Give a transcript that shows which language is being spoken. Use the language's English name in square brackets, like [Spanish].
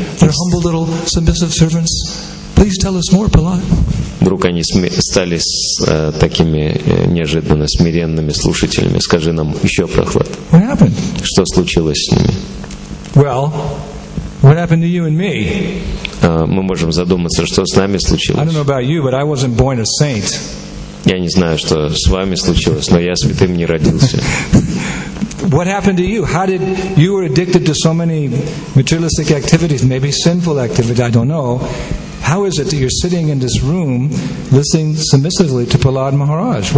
[English] They're humble little submissive servants. Please tell us more, Prahlad. [Russian] Вдруг они стали такими неожиданно смиренными слушателями. Скажи нам еще, Прохлад. [English] What happened? [Russian] Что случилось с ними? [English] Well, what happened to you and me? [Russian] Мы можем задуматься, что с нами случилось. [English] I don't know about you, but I wasn't born a saint. [Russian] Я не знаю, что с вами случилось, но я святым не родился. [English] What happened to you? How did you were addicted to so many materialistic activities, maybe sinful activities, I don't know. How is it that you're sitting in this room listening submissively to Prahlad Maharaj?